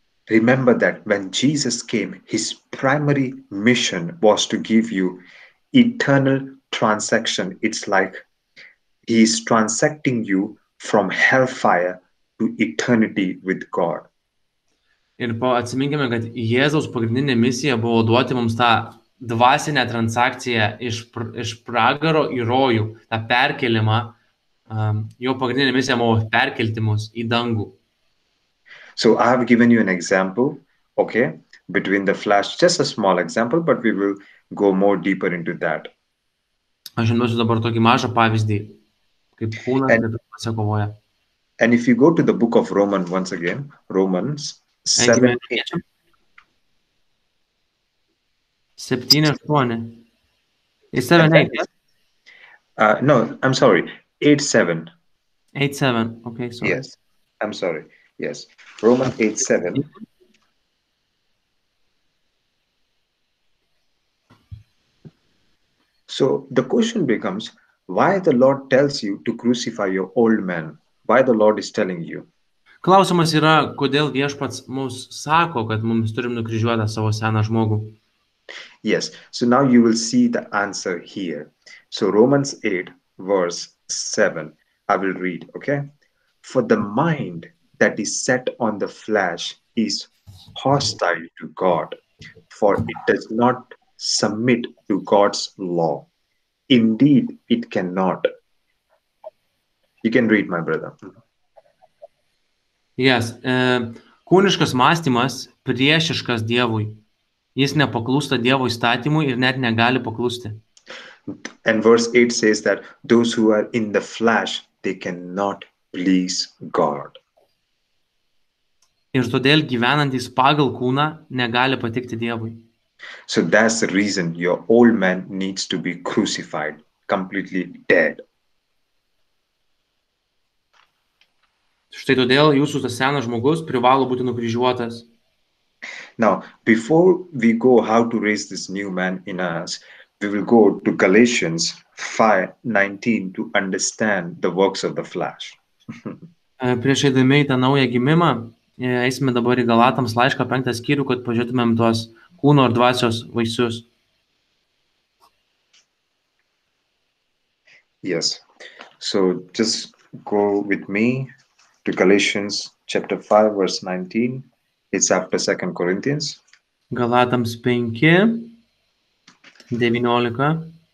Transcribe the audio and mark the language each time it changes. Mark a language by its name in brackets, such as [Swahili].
[English] Remember that when Jesus came, his primary mission was to give you eternal transaction. It's like he is transacting you from hellfire to eternity with God. [Lithuanian] Ir atsiminkime, kad Jėzaus pagrindinė misija buvo duoti mums tą dvasinę transakciją iš pragaro į rojų, tą perkelimą, jo pagrindinė misija buvo perkelti mus į dangų. [English] So I have given you an example, okay, between the flesh, just a small example, but we will go more deeper into that. [Lithuanian] Aš žinosiu dabar tokį mažą pavyzdį, kaip kūnas ir dvasia kovoja. [English] And if you go to the book of Romans once again, Romans 7:8. 7:8. Is 7:8? No, I'm sorry. 8:7. 8:7. Okay, sorry. Yes. I'm sorry. Yes. Romans 8:7. So the question becomes, why the Lord tells you to crucify your old man? Why the Lord is telling you? [Lithuanian] Klausimas yra, kodėl Viešpats mums sako, kad mums turim nukryžiuotą savo seną žmogų. [English] Yes, so now you will see the answer here. So Romans 8, verse 7, I will read, okay? For the mind that is set on the flesh is hostile to God, for it does not submit to God's law. Indeed, it cannot. You can read, my brother. Yes, [Lithuanian] kūniškas mąstymas priešiškas Dievui. Jis nepaklūsta Dievo įstatymui ir net negali paklusti. [English] And verse 8 says that those who are in the flesh, they cannot please God. [Lithuanian] Ir todėl gyvenantys pagal kūną negali patikti Dievui. [English] So that's the reason your old man needs to be crucified, completely dead. [Lithuanian] Štai todėl jūsų tas senas žmogus privalo būti nukryžiuotas. [English] Now, before we go how to raise this new man in us, we will go to Galatians 5:19 to understand the works of the flesh. [Lithuanian] Prieš eidami į tą naują gimimą, eisime dabar į Galatams laišką 5 skyrių, kad pažiūrėtumėm tuos kūno ir dvasios vaisius. [English] Yes. So just go with me to Galatians chapter 5 verse 19. It's after 2 Corinthians. [Lithuanian] Galatams 5, 19.